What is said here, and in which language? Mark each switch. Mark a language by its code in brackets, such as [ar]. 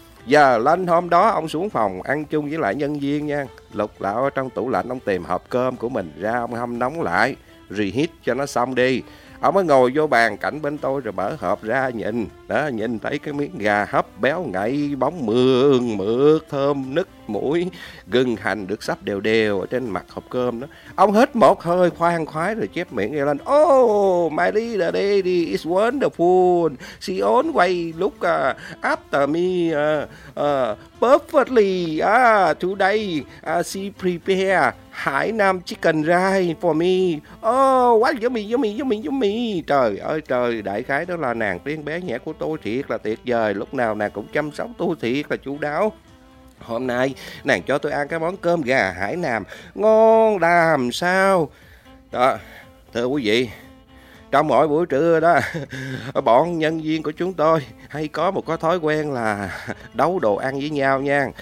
[vi] Giờ lên hôm đó ông xuống phòng ăn chung với lại nhân viên nha, lục lạo ở trong tủ lạnh ông tìm hộp cơm của mình ra, ông hâm nóng lại reheat cho nó xong đi. Ông mới ngồi vô bàn cạnh bên tôi rồi mở hộp ra nhìn. Đó, nhìn thấy cái miếng gà hấp béo ngậy, bóng mượt mượt, thơm nức mũi, gừng hành được sắp đều đều ở trên mặt hộp cơm đó. Ông hít một hơi khoan khoái rồi chép miệng lên. [en] Oh, my little lady is wonderful. She always look after me perfectly. Today she prepare Hainan chicken rice for me. Oh, what yummy. [vi] Trời ơi trời, đại khái đó là nàng tiên bé nhẹ của tôi thiệt là tuyệt vời. Lúc nào nàng cũng chăm sóc tôi thiệt là chu đáo. Hôm nay nàng cho tôi ăn cái món cơm gà Hải Nam ngon làm sao. Đó, thưa quý vị, trong mỗi buổi trưa đó, bọn nhân viên của chúng tôi hay có một cái thói quen là đấu đồ ăn với nhau nha.